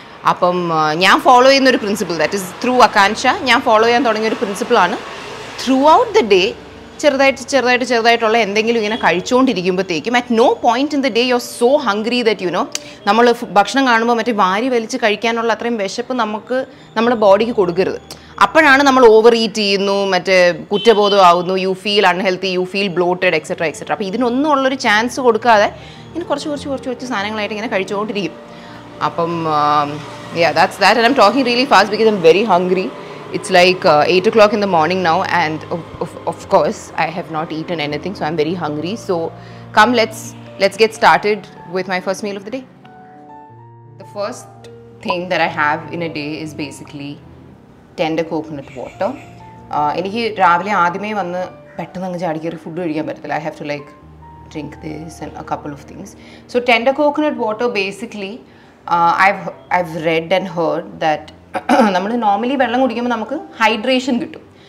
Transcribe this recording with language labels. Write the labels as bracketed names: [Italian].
[Malayalam] അപ്പം ഞാൻ ഫോളോ ചെയ്യുന്ന ഒരു പ്രിൻസിപ്പിൾ, [English] that is through [Malayalam] അകാൻഷ ഞാൻ ഫോളോ ചെയ്യാൻ തുടങ്ങിയ ഒരു പ്രിൻസിപ്പിളാണ്, [English] throughout the day [Malayalam] ചെറുതായിട്ടുള്ള എന്തെങ്കിലും ഇങ്ങനെ കഴിച്ചുകൊണ്ടിരിക്കുമ്പോഴത്തേക്കും [English] at no point in the day you are so hungry that you know, [Malayalam] നമ്മൾ ഭക്ഷണം കാണുമ്പോൾ മറ്റേ വാരി വലിച്ച് കഴിക്കാനുള്ള അത്രയും വിശപ്പ് നമുക്ക് നമ്മുടെ ബോഡിക്ക് കൊടുക്കരുത്. അപ്പോഴാണ് നമ്മൾ ഓവർ ഈറ്റ് ചെയ്യുന്നു, മറ്റേ കുറ്റബോധം ആവുന്നു, [English] You feel unhealthy, you feel bloated etcetera etcetera. [Malayalam] അപ്പോൾ ഇതിനൊന്നും ഉള്ളൊരു ചാൻസ് കൊടുക്കാതെ ഇങ്ങനെ കുറച്ച് സാധനങ്ങളായിട്ട് ഇങ്ങനെ കഴിച്ചുകൊണ്ടിരിക്കും. [English] അപ്പം ya that's that I am talking really fast because I am very hungry. It's like 8 o'clock in the morning now and of course I have not eaten anything, so I'm very hungry. So come, let's get started with my first meal of the day. The first thing that I have in a day is basically tender coconut water. [Malayalam] എനിക്ക് രാവിലെ ആദ്യമേ വന്ന് പെട്ടെന്ന് അങ്ങ് ചാടിക്കേറി food കഴിക്കാൻ പറ്റത്തില്ല. [English] I have to like drink this and a couple of things. So tender coconut water basically I've read and heard that [Malayalam] നമ്മൾ normally വെള്ളം കുടിക്കുമ്പോൾ നമുക്ക് ഹൈഡ്രേഷൻ കിട്ടും.